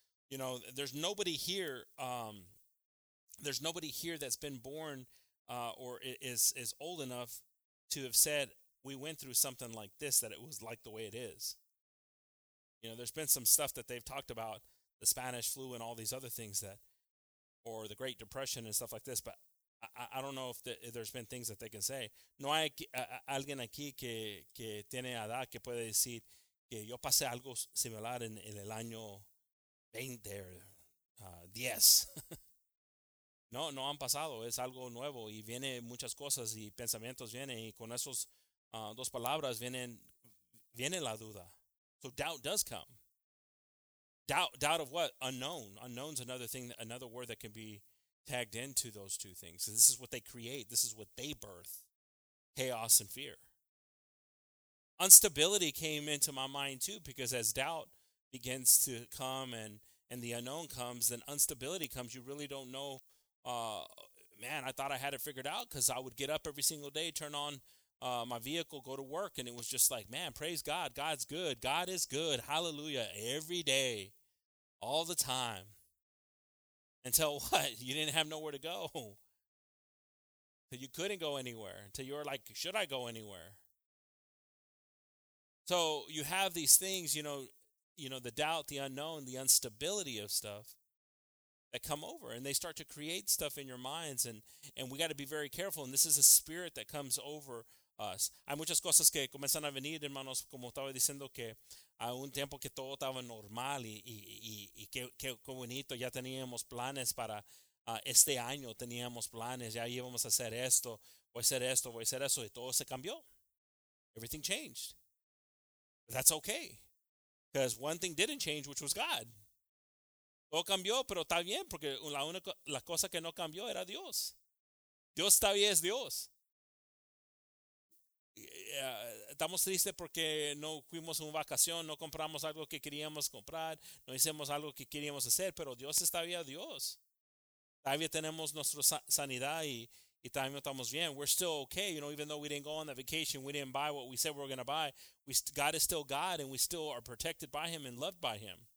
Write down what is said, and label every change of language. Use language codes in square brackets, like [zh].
[en] You know, there's nobody here. There's nobody here that's been born or is old enough to have said we went through something like this, that it was like the way it is. You know, there's been some stuff that they've talked about, the Spanish flu and all these other things that, or the Great Depression and stuff like this. But I don't know if there's been things that they can say. [es] No hay alguien aquí que tiene edad que puede decir que yo pasé algo similar en el año 20 [en] or [es] 10. No, no han pasado. Es algo nuevo y viene muchas cosas y pensamientos vienen y con esos dos palabras viene la duda. [en] So doubt does come. Doubt of what? Unknown. Unknown's another thing, another word that can be tagged into those two things. So this is what they create. This is what they birth. Chaos and fear. Instability came into my mind too, because as doubt begins to come and the unknown comes, then instability comes. You really don't know. Man, I thought I had it figured out, because I would get up every single day, turn on my vehicle, go to work, and it was just like, man, praise God. God's good. God is good. Hallelujah. Every day, all the time. Until what? You didn't have nowhere to go. You couldn't go anywhere. Until you were like, should I go anywhere? So you have these things, you know, the doubt, the unknown, the instability of stuff that come over, and they start to create stuff in your minds, and we got to be very careful. And this is a spirit that comes over us. [es] Hay muchas cosas que comienzan a venir, hermanos, como estaba diciendo, que a un tiempo que todo estaba normal y qué bonito, ya teníamos planes para este año, teníamos planes, ya íbamos a hacer esto, voy a hacer esto, voy a hacer eso, y todo se cambió. [en] Everything changed. But that's okay, because one thing didn't change, which was God. [es] Todo cambió, pero está bien, porque la única, la cosa que no cambió era Dios. Dios todavía es Dios. Estamos tristes porque no fuimos en vacación, no compramos algo que queríamos comprar, no hicimos algo que queríamos hacer, pero Dios es todavía Dios. Todavía tenemos nuestra sanidad y todavía estamos bien. [en] We're still okay, you know, even though we didn't go on that vacation, we didn't buy what we said we were going to buy, God is still God, and we still are protected by Him and loved by Him.